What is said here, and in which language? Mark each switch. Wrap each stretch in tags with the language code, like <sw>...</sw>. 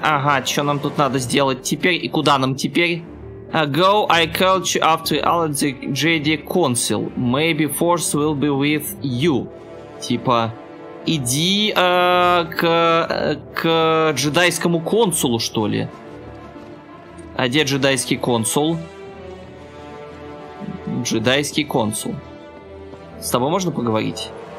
<ru>Ага, что нам тут надо сделать теперь и куда нам теперь?</ru> <en>Go, I call you after alert the Jedi Council. Maybe Force will be with you.</en> <ru>Типа, иди к джедайскому консулу, что ли. А где джедайский консул? Джедайский консул. С тобой можно поговорить?</ru>